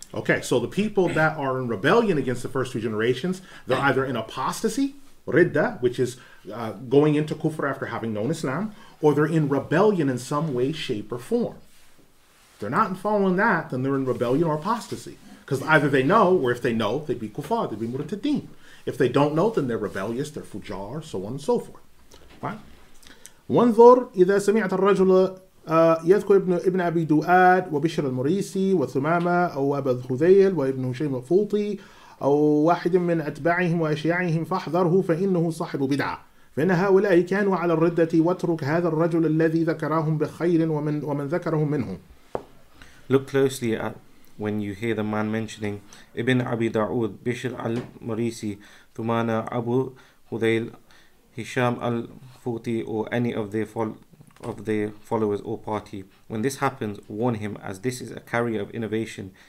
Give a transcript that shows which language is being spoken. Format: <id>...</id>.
<en>Okay, so the people that are in rebellion against the first two generations, they're either in apostasy, ridda, which is going into kufr after having known Islam, or they're in rebellion in some way, shape, or form. If they're not following that, then they're in rebellion or apostasy. Because either they know, or if they know, they'd be kufar, they'd be murtadin. If they don't know, then they're rebellious, they're fujar, so on and so forth. Right?</en> <ar>وَانْظُرْ إِذَا سَمِعْتَ الرَّجُلَ يَذْكُرْ إِبْنَ أَبِي دُؤَاد وَبِشْرَ الْمُرِيسِ وَثُمَامَ أَوْ أَبَا الْخُذَيْلِ وَإِبْنُ هُشَيْمِ الْفُوطِي أَوْ وَاحِدٍ مِنْ أَتْبَاعِهِمْ وَأَشِيَاعِهِمْ فَاحْذَرْهُ فَإِنَّهُ صَاحِبُ بِدْعَةٍ فإن هؤلاء كانوا على الردة واترك هذا الرجل الذي ذكرهم بخير ومن ذكرهم منهم.</ar> <en>Look closely at when you hear the man mentioning Ibn Abi Da'ud, Bishr al-Marisi, Thumana, Abu Hudayl, Hisham al-Futi, or any of their followers or party. When this happens, warn him, as this is a carrier of innovation.</en>